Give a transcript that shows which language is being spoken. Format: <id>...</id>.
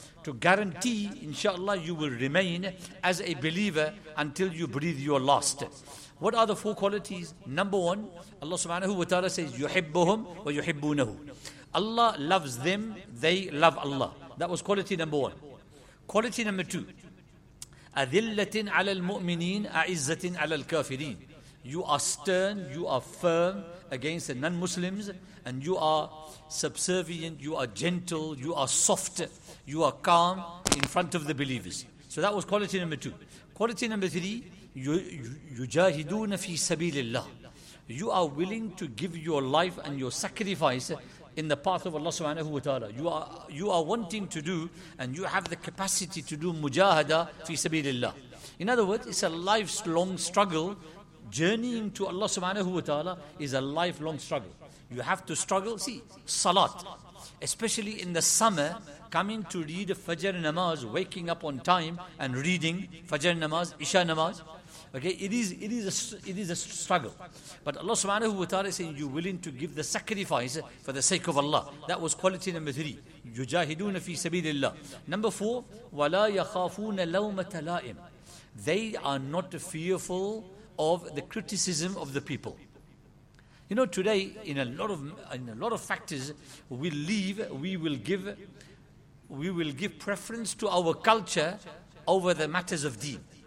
<en>To guarantee, inshallah, you will remain as a believer until you breathe your last. What are the four qualities? Number one, Allah subhanahu wa ta'ala says,</en> <ar>يُحِبُّهُمْ وَيُحِبُّونَهُ.</ar> <en>Allah loves them, they love Allah. That was quality number one. Quality number two,</en> <ar>أَذِلَّةٍ عَلَى الْمُؤْمِنِينَ أَعِزَّةٍ عَلَى الْكَافِرِينَ.</ar> <en>You are stern, you are firm against the non-Muslims, and you are subservient, you are gentle, you are soft, you are calm in front of the believers. So that was quality number two. Quality number three,</en> <ar>يُجَاهِدُونَ فِي سَبِيلِ اللَّهِ.</ar> <en>You are willing to give your life and your sacrifice in the path of Allah subhanahu wa ta'ala. You are wanting to do, and you have the capacity to do mujahada fi sabilillah. In other words, it's a lifelong struggle. Journeying to Allah subhanahu wa ta'ala is a lifelong struggle. You have to struggle. See, salat, especially in the summer, coming to read Fajr namaz, waking up on time and reading Fajr namaz, Isha namaz. Okay, it is a struggle. But Allah subhanahu wa ta'ala is saying, you're willing to give the sacrifice for the sake of Allah. That was quality number three.</en> <ar>يُجَاهِدُونَ فِي سَبِيلِ اللَّهِ.</ar> <en>Number four,</en> <ar>وَلَا يَخَافُونَ لَوْمَةَ لَائِمٍ.</ar> <en>They are not fearful of the criticism of the people. You know, today in a lot of factors, we leave, we will give preference to our culture over the matters of deen.</en>